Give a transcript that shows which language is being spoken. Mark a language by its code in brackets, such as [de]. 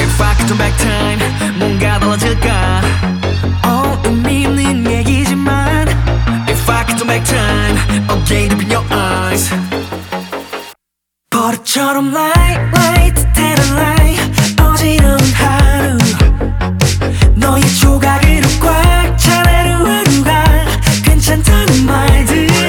[en] If I could turn back time, [ko] 뭔가 달라질까? Oh, 의미 있는 얘기지만. [en] If I could turn back time, I'll gaze up in your eyes. [ko] 버릇처럼 [en] light, light, tell a lie. [ko] 어지러운 하루 너의 조각으로 꽉 찬 하루하루가 괜찮다는 말들.